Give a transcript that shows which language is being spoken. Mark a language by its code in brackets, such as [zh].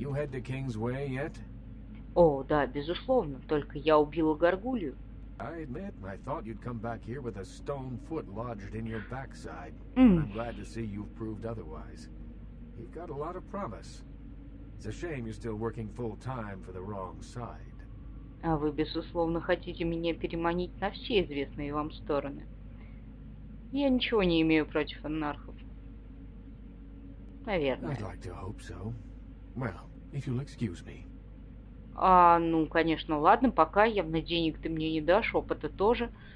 [en] The King's Way yet? [ru] О, да, безусловно, только я убила горгулью. [en] I admit, I thought you'd come back here with a stone foot lodged in your backside. I'm glad to see you've proved otherwise. You've got a lot of promise. It's a shame you're still working full time for the wrong side. [ru] А вы, безусловно, хотите меня переманить на все известные вам стороны. Я ничего не имею против анархов. Наверное. [en] I'd like to hope so. Well, if you'll excuse me. [ru] Ну, конечно, ладно, пока явно денег ты мне не дашь, опыта тоже.